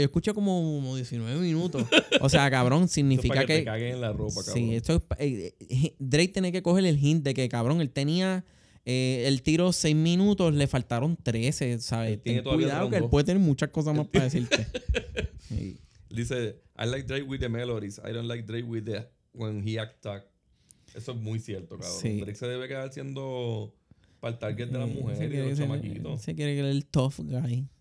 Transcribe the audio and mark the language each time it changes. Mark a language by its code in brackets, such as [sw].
[es] Yo escuché como 19 minutos. O sea, cabrón, significa Para que te caguen en la ropa, cabrón. Sí, esto es... Drake tiene que coger el hint de que, cabrón, él tenía... el tiro 6 minutos, le faltaron 13, ¿sabes? Tiene cuidado que él puede tener muchas cosas más para decirte. Sí. Dice, [en] I like Drake with the melodies. I don't like Drake with the... When he act up. [es] Eso es muy cierto, cabrón. Sí. Drake se debe quedar siendo para el target de las mujeres y de los chamaquitos. Se quiere creer el tough guy.